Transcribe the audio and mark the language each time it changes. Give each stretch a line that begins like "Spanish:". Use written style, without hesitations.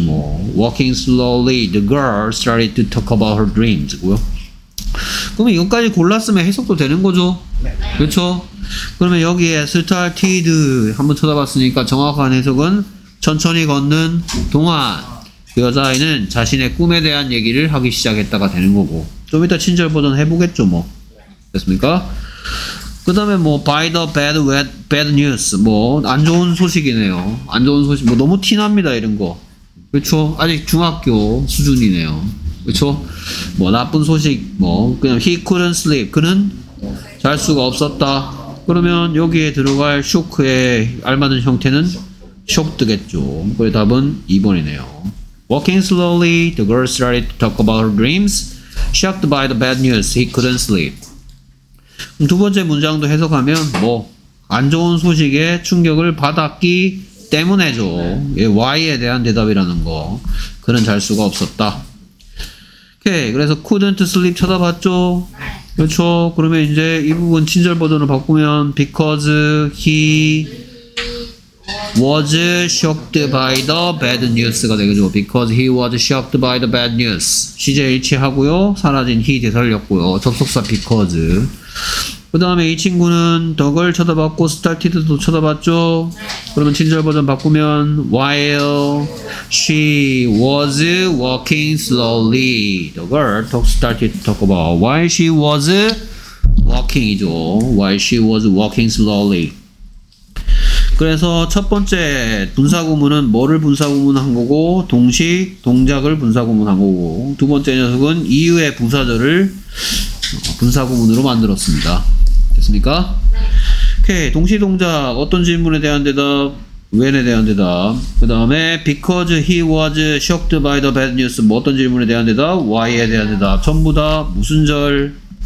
English: 뭐 walking slowly, the girl started to talk about her dreams.
Korean: 그럼 이것까지 골랐으면 해석도 되는 거죠. 그렇죠. 그러면 여기에 started 한번 쳐다봤으니까 정확한 해석은 천천히 걷는 동안 그 여자아이는 자신의 꿈에 대한 얘기를 하기 시작했다가 되는 거고, 좀 이따 친절 버전 해보겠죠 뭐. 됐습니까? 그 다음에 뭐
English: by the bad, bad news,
Korean: 뭐 안 좋은 소식이네요. 안 좋은 소식, 뭐 너무 티납니다 이런 거. 그렇죠. 아직 중학교 수준이네요. 그렇죠. 뭐 나쁜 소식, 뭐 그냥
English: he couldn't sleep,
Korean: 그는 잘 수가 없었다. 그러면 여기에 들어갈 쇼크의 알맞은 형태는 쇼크겠죠. 그의 답은 2번이네요.
English: Walking slowly, the girl started to talk about her dreams. Shocked by the bad news, he couldn't sleep.
Korean: 두 번째 문장도 해석하면 뭐 안 좋은 소식에 충격을 받았기 때문에죠. 예, why에 대한 대답이라는 거. 그는 잘 수가 없었다. 오케이. 그래서
English: couldn't sleep
Korean: 쳐다봤죠. 그렇죠. 그러면 이제 이 부분 친절 버전으로 바꾸면
English: because he was shocked by the bad news
Korean: 가 되겠죠.
English: Because he was shocked by the bad news.
Korean: 시제 일치하고요. 사라진 he 되살렸고요. 접속사 because. 그 다음에 이 친구는 the girl 쳐다봤고 started도 쳐다봤죠. 그러면 친절 버전 바꾸면
English: while she was walking slowly, the girl started to talk about why she was walking이죠. Why she was walking slowly.
Korean: 그래서 첫 번째 분사구문은 뭐를 분사구문한 거고, 동시 동작을 분사구문한 거고, 두 번째 녀석은 이유의 부사절을 분사구문으로 만들었습니다. 됐습니까? 네. 오케이. 동시동작 어떤 질문에 대한 대답, when에 대한 대답, 그 다음에
English: because he was shocked by the bad news,
Korean: 뭐 어떤 질문에 대한 대답, why에 대한 대답, 전부 다 무슨 절?